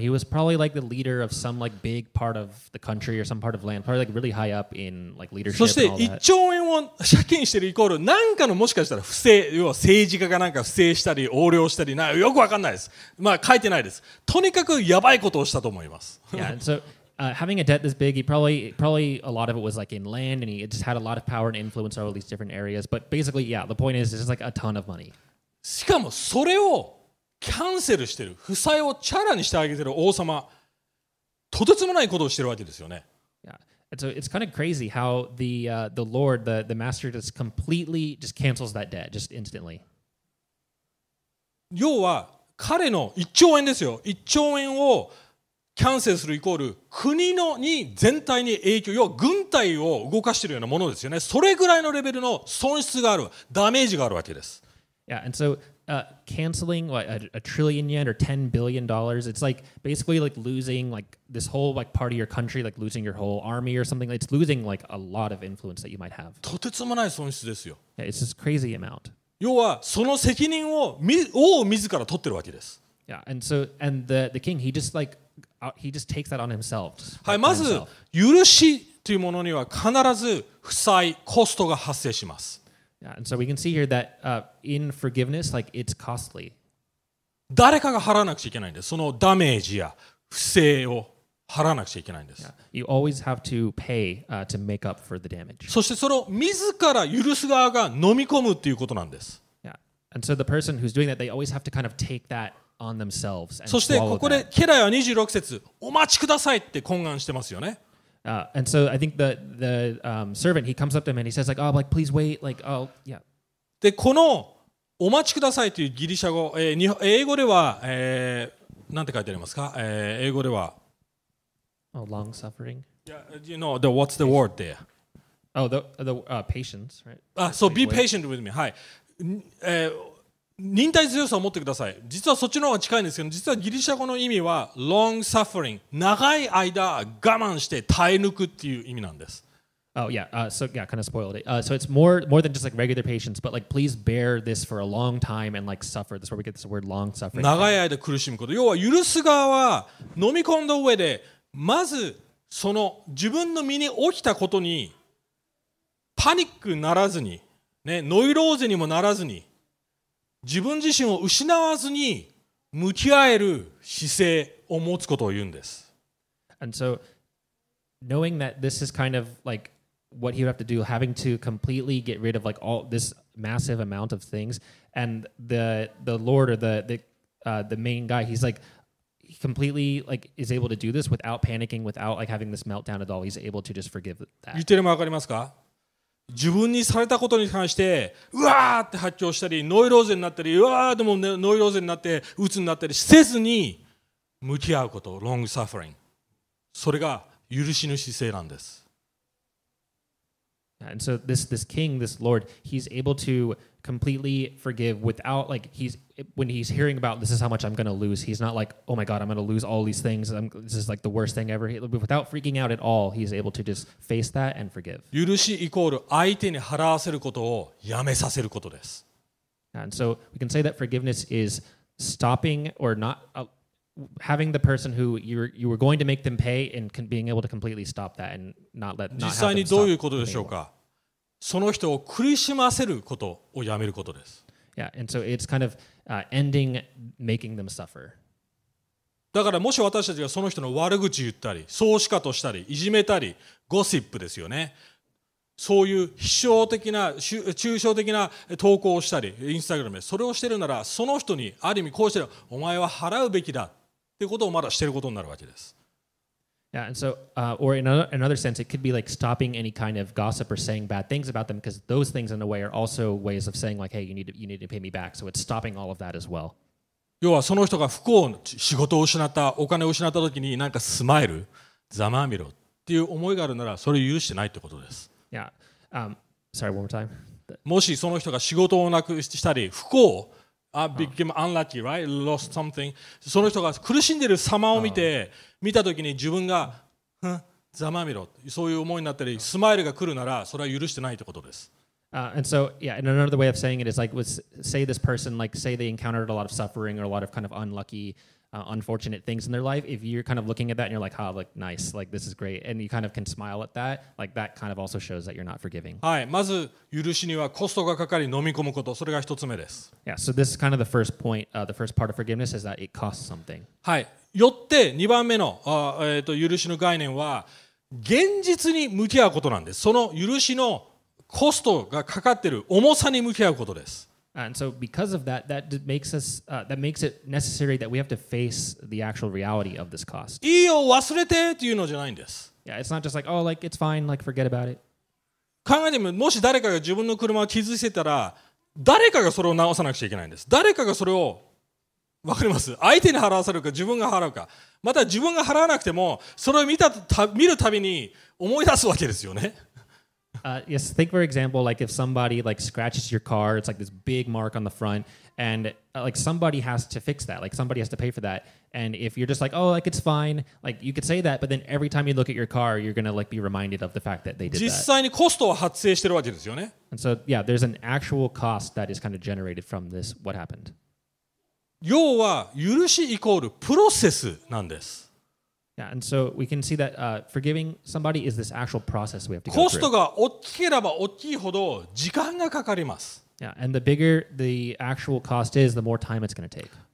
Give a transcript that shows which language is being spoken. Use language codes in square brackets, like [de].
[en] He was probably like the leader of some like big part of the country or some part of land. Probably like really high up in like leadership. [ja] そして1兆円を借金してるイコールなんかのもしかしたら不正、要は政治家がなんか不正したり横領したりな、よくわかんないです。まあ書いてないです。とにかくやばいことをしたと思います。 [en] Yeah, and so, having a debt this big, probably a lot of it was like in land and he just had a lot of power and influence over all these different areas. But basically, yeah, the point is, it's just like a ton of money. [ja] しかもそれをキャンセルしてる、負債をチャラにしてあげてる王様、とてつもないことをしてるわけですよね。 [en] Yeah. And so it's kind of crazy how the Lord, the master just completely just cancels that debt, just instantly. [ja] 要は彼の1兆円ですよ。 1兆円をキャンセルするイコール国のに全体に影響、要は軍隊を動かしてるようなものですよね。それぐらいのレベルの損失がある、ダメージがあるわけです。 [en] Yeah. And soCanceling like a trillion yen or $10 billion, it's like basically like losing like this whole like part of your country, like losing your whole army or something. It's losing like a lot of influence that you might have. [ja] とてつもない損失ですよ。 [en] Yeah, it's this crazy amount. [ja] 要はその責任を王自ら取ってるわけです。 [en] Yeah, and so and the king, he just like he just takes that on himself. [ja] はい、まず許しというものには必ず負債コストが発生します。 [en] Yeah, and so we can see here that in forgiveness, like it's costly. [ja] 誰かが払わなくちゃいけないんです。そのダメージや不正を払わなくちゃいけないんです。 [en] Yeah. You always have to pay to make up for the damage. [ja] そしてその自ら許す側が飲み込むっていうことなんです。 [en] Yeah. And so the person who's doing that, they always have to kind of take that on themselves. [ja] そしてここで家来は26節、お待ちくださいって懇願してますよね。 [en] And so I think the servant, he comes up to him and he says like, oh, like, please wait, like, oh, yeah. [ja] で、このお待ちくださいというギリシャ語、英語では、なんて書いてありますか、英語では。 [en] Oh, long suffering. Yeah, you know, the, what's the word there? Oh, the patience, right? Ah, so be patient with me. はい。 [ja] 忍耐強さを持ってください。実はそっちの方が近いんですけど、実はギリシャ語の意味は long suffering、長い間我慢して耐え抜くっていう意味なんです。 [en] Oh yeah, so yeah, kind of spoiled it. So it's more than just like regular patience, but like please bear this for a long time and like suffer. That's where we get this word long suffering. [ja] 長い間苦しむこと。要は許す側は飲み込んだ上で、まずその自分の身に起きたことにパニックならずに、ね、ノイローゼにもならずに。自分自身を失わずに向き合える姿勢を持つことを言うんです。 [en] And so, knowing that this is kind of like what he would have to do, having to completely get rid of like all this massive amount of things, and the Lord or the main guy, he's like, he completely like is able to do this without panicking, without like having this meltdown at all. He's able to just forgive that. [ja] 言ってるのわかりますか？自分にされたことに関してうわーって発狂したりノイローゼになったりうわーでも、ね、ノイローゼになって鬱になったりせずに向き合うこと、ロングサフリング、それが許しの姿勢なんです。 [en] And so this king, this lord, he's able to completely forgive without like he's when he's hearing about this is how much I'm gonna lose, he's not like, oh my god, I'm gonna lose all these things, this is like the worst thing ever. Without freaking out at all, he's able to just face that and forgive. [ja] 許しイコール相手に払わせることをやめさせることです。 [en] And so we can say that forgiveness is stopping or not having the person who you were going to make them pay and being able to completely stop that and not have them stop. [ja] 実際にどういうことでしょうか。その人を苦しませることをやめることです。 [en] Yeah, and so it's kind of ending making them suffer. [ja] だからもし私たちがその人の悪口言ったり、総仕方としたり、いじめたり、ゴシップですよね。そういう秘書的な、抽象的な投稿をしたり、インスタグラムでそれをしてるなら、その人にある意味こうしてる、お前は払うべきだっていうことをまだしてることになるわけです。 [en] Yeah, and so, or in another sense, it could be like stopping any kind of gossip or saying bad things about them, because those things, in a way, are also ways of saying like, hey, you need to pay me back. So it's stopping all of that as well. [ja] 要はその人が不幸、仕事を失った、お金を失った時に、なんかスマイル、ざまみろっていう思いがあるなら、それを許してないってことです。 [en] Yeah, sorry, one more time. [ja] もしその人が仕事をなくしたり、不幸、 [en] became unlucky, right? Lost something. [ja] その人が苦しんでる様を見て、見たときに自分が、ざまみろ、そういう思いになったり、スマイルが来るなら、それは許してないということです。 [en] And so, yeah, and another way of saying it is like, was, say this person, like, say they encountered a lot of suffering or a lot of kind of unlucky, unfortunate things in their life. If you're kind of looking at that and you're like, ha, oh, like, nice, like, this is great, and you kind of can smile at that, like, that kind of also shows that you're not forgiving. [ja] はい、まず許しにはコストがかかり飲み込むこと、それが一つ目です。 [en] Yeah, so this is kind of the first point, the first part of forgiveness is that it costs something. [ja] はい、よって二番目の、許しの概念は、現実に向き合うことなんです。その許しのコストがかかっている重さに向き合うことです。 [en] And so because of that, that makes us, that makes it necessary that we have to face the actual reality of this cost. [ja] いいよ、忘れてっていうのじゃないんです。 [en] Yeah, it's not just like, oh, like, it's fine, like, forget about it. [ja] 考えても、もし誰かが自分の車を傷つけたら、誰かがそれを直さなくちゃいけないんです。誰かがそれを、わかります？相手に払わせるか、自分が払うか。また自分が払わなくても、それを見るたびに思い出すわけですよね。 [en] Yes, think for example, like if somebody like scratches your car, it's like this big mark on the front, and like somebody has to fix that, like somebody has to pay for that. And if you're just like, oh, like it's fine, like you could say that, but then every time you look at your car, you're gonna like be reminded of the fact that they did that. [ja] 実際にコストは発生してるわけですよね。 [en] And so, yeah, there's an actual cost that is kind of generated from this, what happened. [ja] 要は許しイコールプロセスなんです。 [en] Yeah, and so we can see that forgiving somebody is this actual process we have to go [ja] through. コストが大きければ大きいほど時間がかかります。 [en] Yeah, and the bigger the actual cost is, the more time it's going to take.